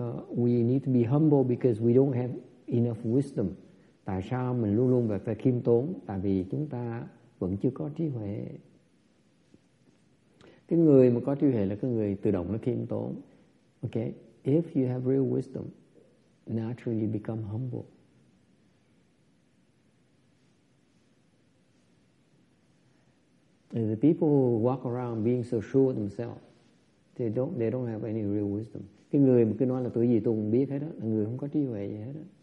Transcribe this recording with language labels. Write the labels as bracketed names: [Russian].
[English] We need to be humble because we don't have enough wisdom. [Vietnamese] Tại sao mình luôn luôn phải khiêm tốn? Tại vì chúng ta vẫn chưa có trí huệ. Cái người mà có trí huệ là cái người tự động nó khiêm tốn. [English] Okay, if you have real wisdom, naturally you become humble. And the people who walk around being so sure of themselves, they don't have any real wisdom. [Vietnamese] Cái người mà cứ nói là tôi gì tôi cũng biết hết đó, là người không có trí huệ gì hết đó.